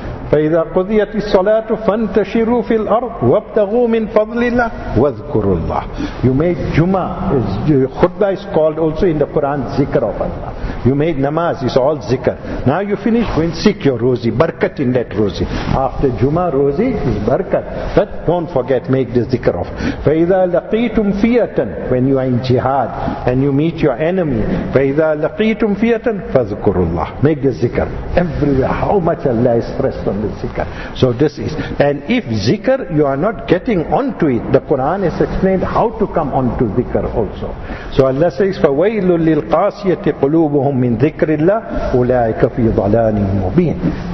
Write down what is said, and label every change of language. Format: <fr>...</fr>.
<ar>فإذا قضيت الصلاة فانتشروا في الأرض وابتغوا من فضل الله واذكروا الله.</ar> <en>You made Juma, khutbah is called also in the Quran zikr of Allah. You made namaz, it's all zikr. Now you finish, go and seek your rozi, barkat in that rozi. After Juma, rozi is barkat. But don't forget, make the zikr of.</en> <ar>فَإِذَا لَقِيتُمْ فِيَةً,</ar> <en>when you are in jihad and you meet your enemy,</en> <ar>فَإِذَا لَقِيتُمْ فِيَةً فَذْكُرُوا اللَّهِ,</ar> <en>make the zikr. Everywhere, how much Allah is pressed on the zikr. So this is, and if zikr you are not getting onto it, the Quran has explained how to come onto zikr also. So Allah says,</en> <ar>فَوَيْلٌ لِلْقَاسِيَةِ قُلُوبُهُمْ مِنْ ذِكْرِ اللَّهِ أُولَٰئِكَ فِي ضَلَالٍ مُبِينٍ.</ar>